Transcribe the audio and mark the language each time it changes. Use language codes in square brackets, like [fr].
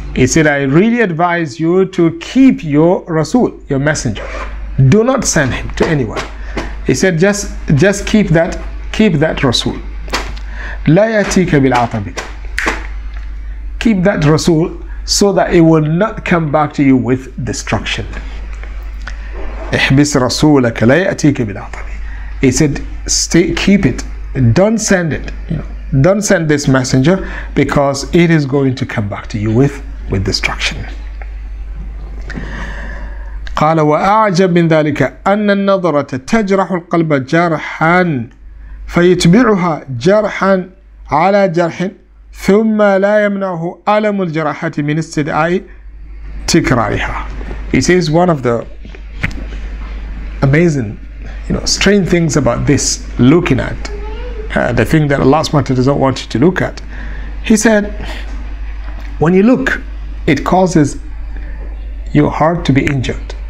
[en] He said, I really advise you to keep your Rasul, your messenger. Do not send him to anyone. He said, just keep that Rasul. [ar] لا يأتيك بالعطب. [en] Keep that Rasul, so that it will not come back to you with destruction. [ar] احبس رسولك لا يأتيك بالعطب. [en] He said, stay, keep it. Don't send it. Don't send this messenger, because it is going to come back to you with destruction. [ar] قال وأعجب من ذلك أن النظرة تجرح القلب جرحا فيتبعها جرحا على جرح ثم لا يمنعه ألم الجراحة من استدعاء تكرارها. [en] He says one of the amazing, you know, strange things about this looking at the thing that Allah SWT doesn't want you to look at. He said, when you look, it causes your heart to be injured.